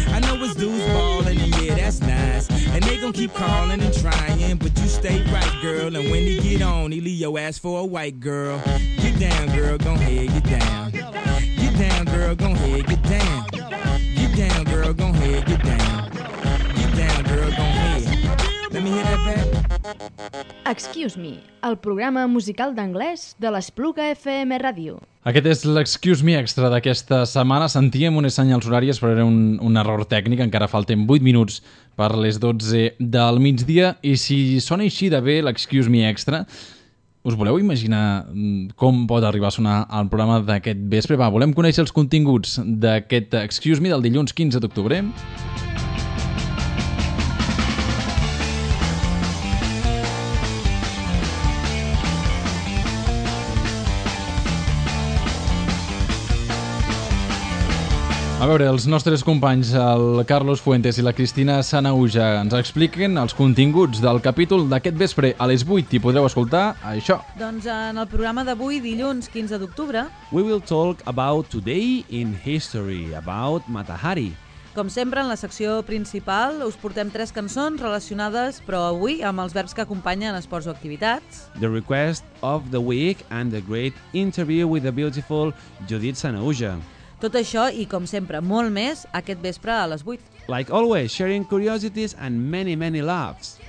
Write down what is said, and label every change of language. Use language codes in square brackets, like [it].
[en] I know his dude's ballin', and yeah, that's nice. And they gon' keep calling and trying, but you stay right, girl. And when he get on, he leave your ass for a white girl. Get down, girl, gon' head, get down. Get down, girl, gon' head, get down. Get down, girl, gon' head, get down. Get down, girl, gon' head. Let me hear that back. [ca] Excuse me, el programa musical d'anglès de l'Espluga FM Ràdio. Aquest és l'Excuse Me Extra d'aquesta setmana. Sentíem unes senyals horàries, però era un error tècnic. Encara falten 8 minuts per les 12 del migdia. I si sona així de bé l'Excuse Me Extra, us voleu imaginar com pot arribar a sonar el programa d'aquest vespre? Va, volem conèixer els continguts d'aquest Excuse Me del dilluns 15 d'octubre. A veure, els nostres companys, el Carlos Fuentes i la Cristina Sanahuja, ens expliquen els continguts del capítol d'aquest vespre a les 8 i podreu escoltar això. Doncs en el programa d'avui, dilluns 15 d'octubre... [en] We will talk about today in history, about Matahari. [ca] Com sempre, en la secció principal us portem tres cançons relacionades, però avui, amb els verbs que acompanyen esports o activitats. [en] The request of the week and the great interview with the beautiful Judith Sanahuja. [ca] Tot això, i com sempre, molt més, aquest vespre a les 8. [en] Like always, sharing curiosities and many, many laughs.